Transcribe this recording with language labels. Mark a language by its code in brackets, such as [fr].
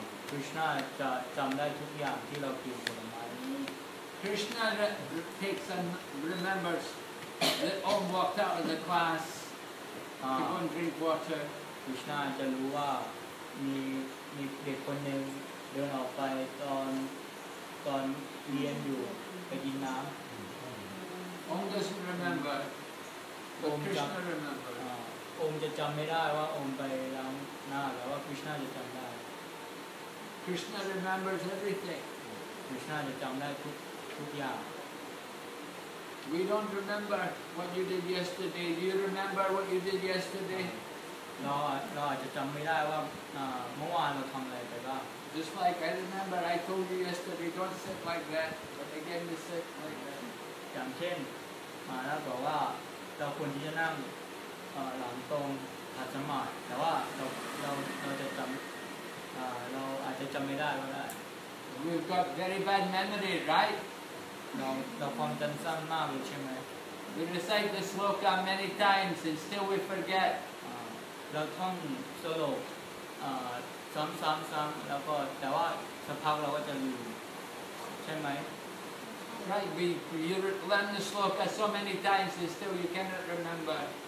[th] Krishna จำได้ทุกอย่างที่เรากินผลไม้ [en] Krishna takes and remembers that Om walked out of the class. He won't drink water. [th] Krishna จะรู้ว่ามีเด็กคนหนึ่งเดินออกไปตอนเรียนอยู่ไปกินน้ำ [en] องค์ doesn't remember but Krishna remember [th] องค์จะจำไม่ได้ว่าองค์ไปล้างหน้าแต่ว่า Krishna จะจำได้ [en] Krishna remembers everything [th] Krishna จะจำได้ทุกอย่าง [en] We don't remember what you did yesterday Do you remember what you did yesterday [th] เราอาจจะจำไม่ได้ว่าเมื่อวานเราทำอะไรไปบ้าง [en] Just like I remember, I told you yesterday, don't sit like that. But again, you sit like that. [th] อย่างเช่นมาแล้วบอกว่าเราควรที่จะนั่งหลังตรงขัดสมาธิแต่ว่าเราจะจำเราอาจจะจำไม่ได้ก็ได้ [en] You've got very bad memory, right? [th] เราความจำสั้นมากเลยใช่ไหม [en] We recite the sloka many times and still we forget. [th] เราท่องสโลกซ้ำแล้วก็แต่ว่าสักพักเราก็จะลืมใช่ไหม [en] Right we learn the sloka so many times and still you cannot remember